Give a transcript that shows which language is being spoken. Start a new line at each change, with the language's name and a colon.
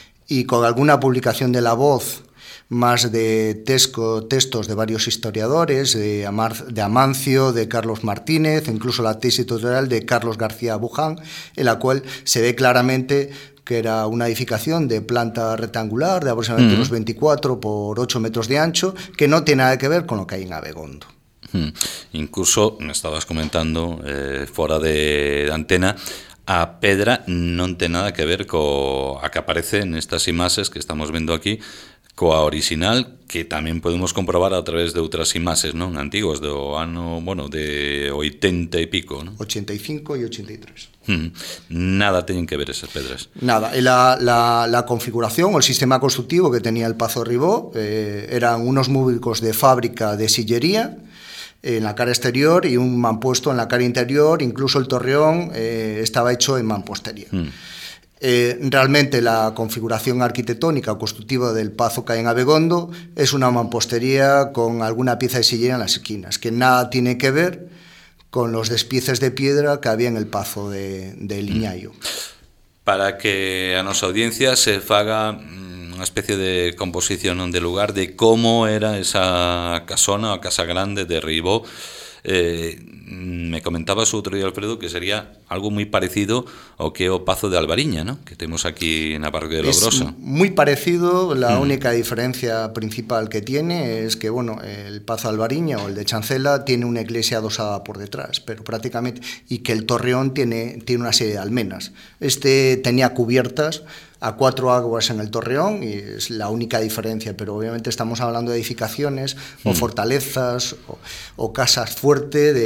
Spanish: y con alguna publicación de La Voz, más de textos de varios historiadores, de Amancio, de Carlos Martínez, incluso la tesis doctoral de Carlos García Buján, en la cual se ve claramente que era una edificación de planta rectangular de aproximadamente unos 24 por 8 metros de ancho, que no tiene nada que ver con lo que hay en Abegondo. Incluso, me estabas comentando, fuera de antena,
Galician: a pedra non ten nada que ver coa que aparece nestas imaxes que estamos vendo aquí, coa orixinal, que tamén podemos comprobar a través de outras imaxes, non? Antigos, do ano, bueno, de 80 e pico, non? 85 e 83. Nada teñen que ver esas pedras.
Spanish: Nada, la configuración, o sistema constructivo que tenía el Pazo Reibó, eran unos múbicos de fábrica de sillería en la cara exterior y un mampuesto en la cara interior, incluso el torreón estaba hecho en mampostería. Realmente la configuración arquitectónica o constructiva del pazo que hay en Abegondo es una mampostería con alguna pieza de sillería en las esquinas, que nada tiene que ver con los despieces de piedra que había en el pazo de Liñallo.
Galician: Para que a nosa audiencia se faga unha especie de composición de lugar de como era esa casona, a casa grande de Reibó, me comentabas outro día, Alfredo, que sería algo moi parecido ao que é o Pazo de Albariña, ¿no?, que temos aquí na parroquia de Logroso. Es moi parecido,
Spanish: la única diferencia principal que tiene es que, bueno, el Pazo de Albariña o el de Chancela tiene una iglesia adosada por detrás, pero prácticamente, y que el torreón tiene una serie de almenas. Este tenía cubiertas a cuatro aguas en el torreón y es la única diferencia, pero obviamente estamos hablando de edificaciones o fortalezas o casas fuertes de,